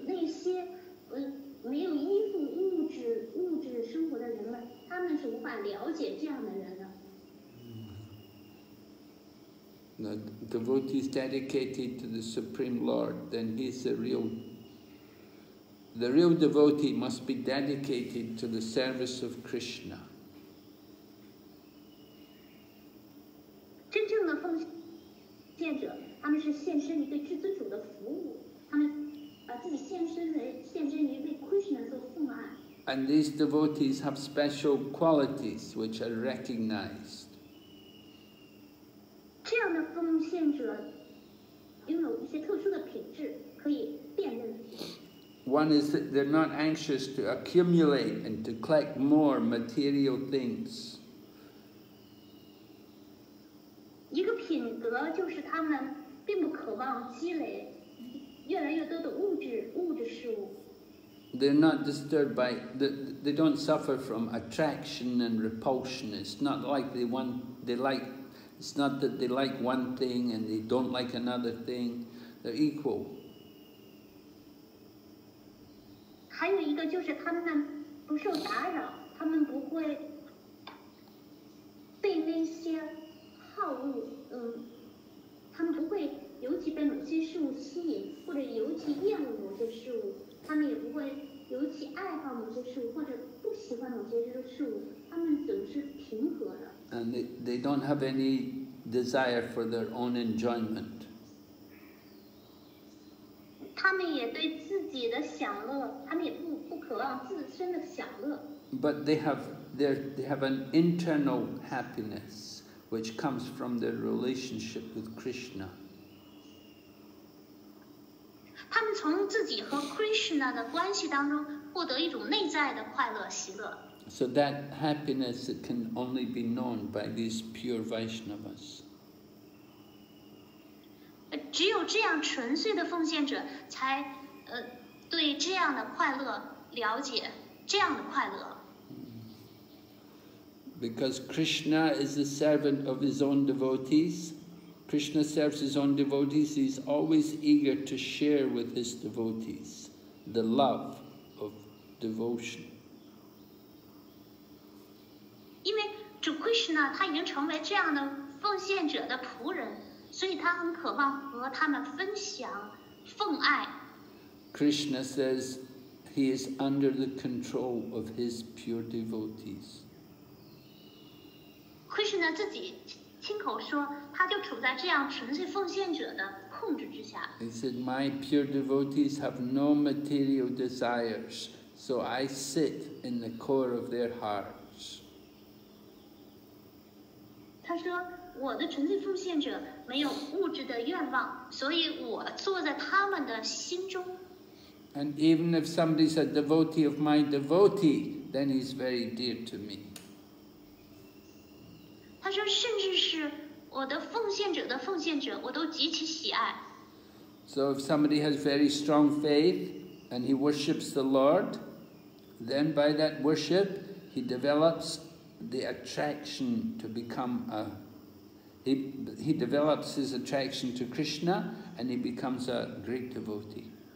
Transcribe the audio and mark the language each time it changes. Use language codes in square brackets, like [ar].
[zh] 那些没有依附物质生活的人们，他们是无法了解这样的人的。 [en] The devotee is dedicated to the Supreme Lord, then he's a real. The real devotee must be dedicated to the service of Krishna. [zh] 真正的奉献者，他们是献身于对至尊主的服务，他们把自己献身于为 Krishna 做奉献。 [en] And these devotees have special qualities which are recognized. [zh] 这样的奉献者拥有一些特殊的品质，可以辨认。 [en] One is that they're not anxious to accumulate and to collect more material things. [zh] 一个品格就是他们并不渴望积累越来越多的物质事物。 [en] They're not disturbed by, they don't suffer from attraction and repulsion. It's not like they want, they like It's not that they like one thing and they don't like another thing. They're equal. [zh] 还有一个就是他们不受打扰，他们不会被那些好物，他们不会尤其被某些事物吸引，或者尤其厌恶某些事物，他们也不会尤其爱好某些事物，或者不喜欢某些事物，他们总是平和的。 [en] And they don't have any desire for their own enjoyment. [zh] 他们也对自己的享乐，他们也不渴望自身的享乐。 [en] But they have an internal happiness which comes from their relationship with Krishna. [zh] 他们从自己和 Krishna 的关系当中获得一种内在的快乐喜乐。 [en] So that happiness can only be known by these pure Vaishnavas. [zh] 只有这样纯粹的奉献者才对这样的快乐了解，这样的快乐。 [en] Because Krishna is the servant of his own devotees, Krishna serves his own devotees, he's always eager to share with his devotees the love of devotion. [zh] 因为主 Krishna 他已经成为这样的奉献者的仆人，所以他很渴望和他们分享奉爱。 [en] Krishna says he is under the control of his pure devotees. [zh] Krishna 自己亲口说，他就处在这样纯粹奉献者的控制之下。 [en] He said, "My pure devotees have no material desires, so I sit in the core of their heart." [zh] 他说我的纯粹奉献者没有物质的愿望，所以我坐在他们的心中。 [en] And even if somebody's a devotee of my devotee, then he's very dear to me. [zh] 他说甚至是我的奉献者的奉献者我都极其喜爱。 [en] So if somebody has very strong faith and he worships the Lord, then by that worship he developsthe attraction to become a he develops his attraction to Krishna and he becomes a great devotee.